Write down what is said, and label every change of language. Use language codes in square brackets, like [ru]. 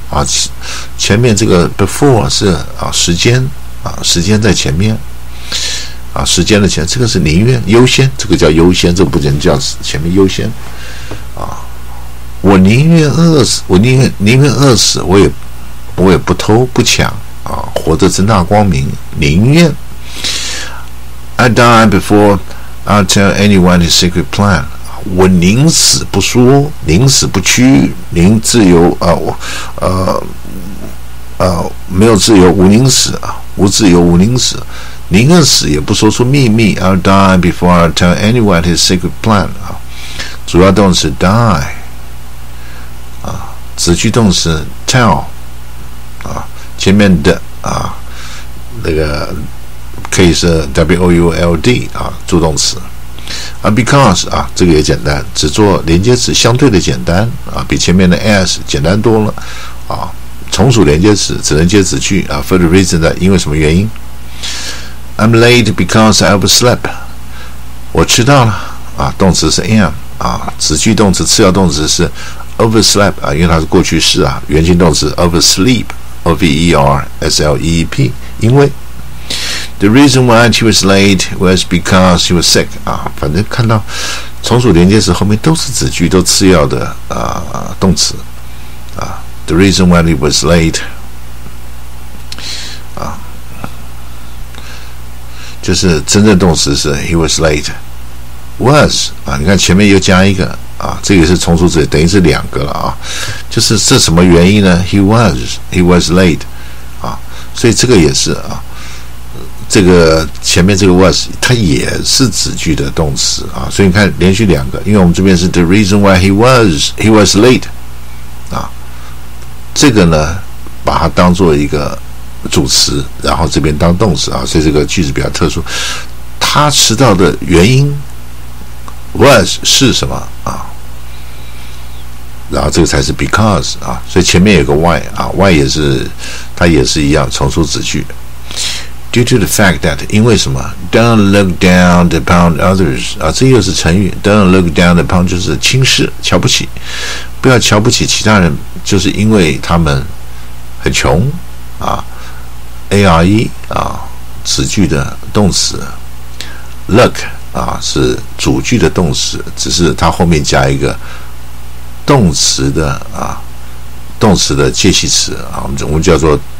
[zh] 啊，前面这个 before 是啊时间啊，时间在前面啊，时间的前，这个是宁愿优先，这个叫优先，这个不仅叫前面优先啊。我宁愿饿死，我宁愿饿死，我也不偷不抢啊，活着正大光明。宁愿 [en] I die before I tell anyone his secret plan。 [zh] 我宁死不说，宁死不屈，宁自由啊，我没有自由，无宁死啊，无自由，无宁死，宁愿死也不说出秘密。 [en] I'll die before I tell anyone his secret plan [zh] 啊，主要动词 die 啊，子句动词 tell 啊，前面的啊那个可以是 WOULD 啊，助动词。啊 ，because 啊，这个也简单，只做连接词，相对的简单啊，比前面的 as 简单多了啊。从属连接词只能接子句啊 ， [en] for the reason [zh] 的，因为什么原因 ？ [en] I'm late because I overslept。 [zh] 我迟到了啊，动词是 am 啊，子句动词次要动词是 overslept 啊，因为它是过去式啊，原形动词 oversleep，OVERSLEEP， 因为。 [en] The reason why she was late was because she was sick. [zh] 啊，反正看到从属连接词后面都是子句，都次要的啊动词啊。 [en] The reason why he was late 啊， [zh] 就是真正动词是 [en] he was late was 啊。 [zh] 你看前面又加一个啊，这个是从属词，等于是两个了啊。就是这什么原因呢 ？ [en] He was late [zh] 啊，所以这个也是啊。这个前面这个 was 它也是子句的动词啊，所以你看连续两个，因为我们这边是 [en] the reason why he was late [zh] 啊，这个呢把它当做一个主词，然后这边当动词啊，所以这个句子比较特殊。他迟到的原因 was 是什么啊？然后这个才是 because 啊，所以前面有个 why 啊， why 也是它也是一样重出子句。 [en] Due to the fact that, [zh] 因为什么 [en] ？Don't look down upon others 啊， [zh] 这又是成语。 [en] Don't look down upon [zh] 就是轻视、瞧不起，不要瞧不起其他人，就是因为他们很穷啊。 are 啊，子句的动词 ，look 啊是主句的动词，只是它后面加一个动词的啊，动词的介系词啊，我们叫做。